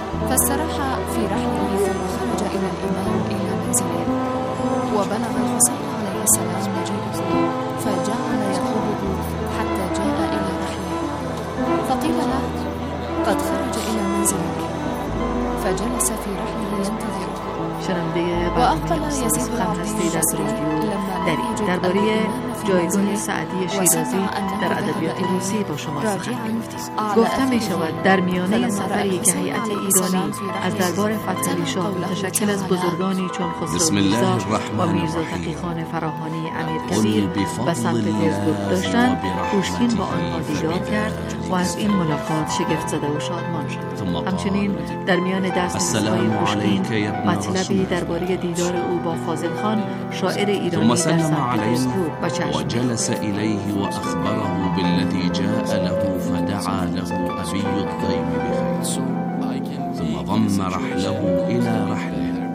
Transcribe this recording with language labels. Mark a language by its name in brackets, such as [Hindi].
[Arabic] فاستراح في رحله ثم خرج إلى الإمام إلى منزله، وبلغ الحسين عليه السلام مجيئه فجعل يقوده حتى جاء إلى رحله، فقيل له قد خرج إلى منزلك، فجلس في رحله ينتظره. وأقبل يزيد بن عبد العزيز [Persian] در این درباره جایگاه سعدی شیرازی در ادبیات روسی با شما سخن گفتم. می شود در میانه سفر یک هیئت ایرانی از دربار فتحعلی شاه متشکل از بزرگانی چون خسروخیزاد و میرزا تقی‌خان فراهانی امیرکبیر به سمت پزگرد داشتند، پوشکین با آنها دیدار کرد و از این ملاقات شگفت زده و شادمان شد. همچنین در میان دست‌های پوشکین مطلبی درباره دیدار او با فاضل خان شاعر ایرانی [Arabic] وسلم عليه وجلس إليه وأخبره بالذي جاء له، فدعا له أبي الطيب بخير ثم ضم رحله إلى رحله.